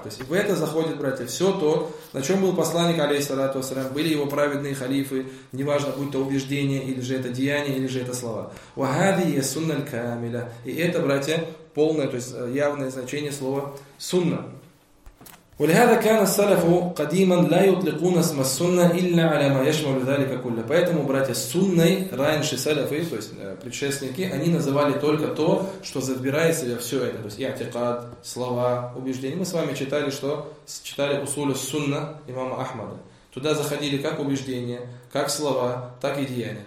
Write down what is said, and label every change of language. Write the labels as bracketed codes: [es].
[ru] То есть в это заходит, братья, все то, на чем был посланник, алейхиссалату вассалям, были его праведные халифы, неважно, будь то убеждение, или же это деяние, или же это слова. [ar] Ва хадхи ас-сунна аль-камила. [ru] И это, братья, полное, то есть явное значение слова сунна. [ar] ولهذا كان السلف قديما لا يطلقون اسم السنة إلا على ما يشمل ذلك كله. [ru] Поэтому, братья, сунной раньше салифы, то есть предшественники, они называли только то, что забирает в себя все это, то есть и атикад, слова, убеждения. Мы с вами читали, что читали усулю сунна имама Ахмада. Туда заходили как убеждения, как слова, так и деяния.